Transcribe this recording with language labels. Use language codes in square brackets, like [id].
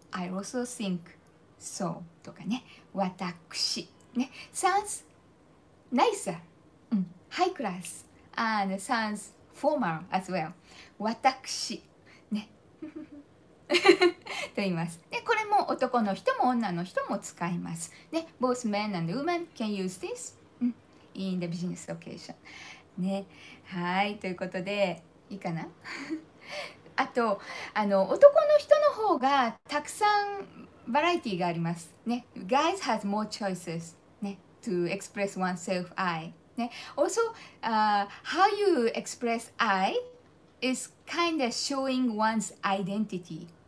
[en] I also think so [ja] とかね、 [en] 私。ね、Sounds nicer. ハイクラス and sounds formal as well. 私。ね。 [ja] と言います。で、これも男の人も女の人も使います。 [en] ね、both men and women can use this in the business occasion。 [ja] ね、はい、ということでいいかな。あと、あの男の人の方がたくさんバラエティがあります。 [en] ね、guys has more choices、ね、to express oneself I。ね、also、how you express I is kind of showing one's identity。